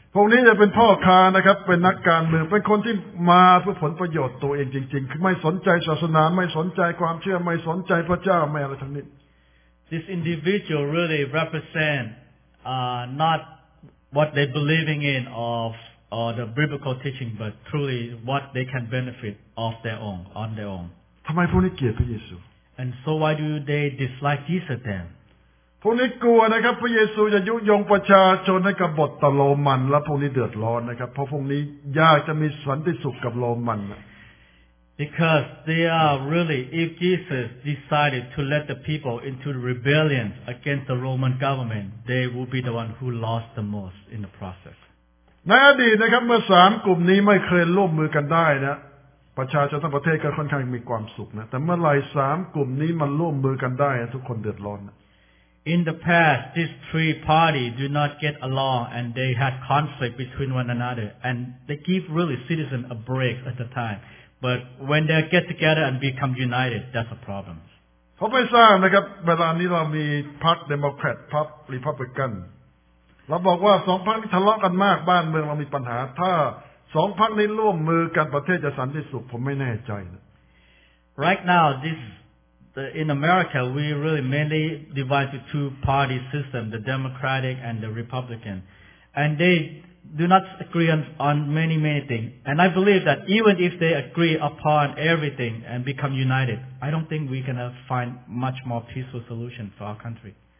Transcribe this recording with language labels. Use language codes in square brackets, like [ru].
[th] พวกนี้จะเป็นพ่อค้านะครับเป็นนักการเมืองเป็นคนที่มาเพื่อผลประโยชน์ตัวเองจริงๆไม่สนใจศาสนาไม่สนใจความเชื่อไม่สนใจพระเจ้าไม่อะไรทั้งนั้น [en] This individual really represent not what they believing in of or the biblical teaching but truly what they can benefit of their own on their own [th] ทำไมพวกนี้เกลียดพระเยซู [en] And so why do they dislike Jesus then? [th] พวกนี้กลัวนะครับพระเยซูจะยุยงประชาชนให้กบฏต่อโรมันและพวกนี้เดือดร้อนนะครับเพราะพวกนี้อยากจะมีสันติสุขกับโรมัน [en] Because they are really, if Jesus decided to let the people into rebellion against the Roman government, they would be the one who lost the most in the process. [th] ในอดีตนะครับเมื่อสามกลุ่มนี้ไม่เคยร่วมมือกันได้นะประชาชนทั้งประเทศก็ค่อนข้างมีความสุขนะแต่เมื่อไรสามกลุ่มนี้มันร่วมมือกันได้ทุกคนเดือดร้อนนะ [en] In the past, these three parties do not get along and they had conflict between one another and they give really citizens a break at the time. But when they get together and become united, that's a problem. [th] ผมไม่ทราบนะครับเวลานี้เรามีพรรคเดโมแครตพรรครีพับลิกันเราบอกว่าสองพรรคนี้ทะเลาะกันมากบ้านเมืองเรามีปัญหาถ้าสองพรรคนี้ร่วมมือกันประเทศจะสันติสุขผมไม่แน่ใจนะ [en] Right now, in America, we really mainly divide into two party system, the Democratic and the Republican, and they do not agree on many, many things. And I believe that even if they agree upon everything and become united, I don't think we can find much more peaceful solution for our country.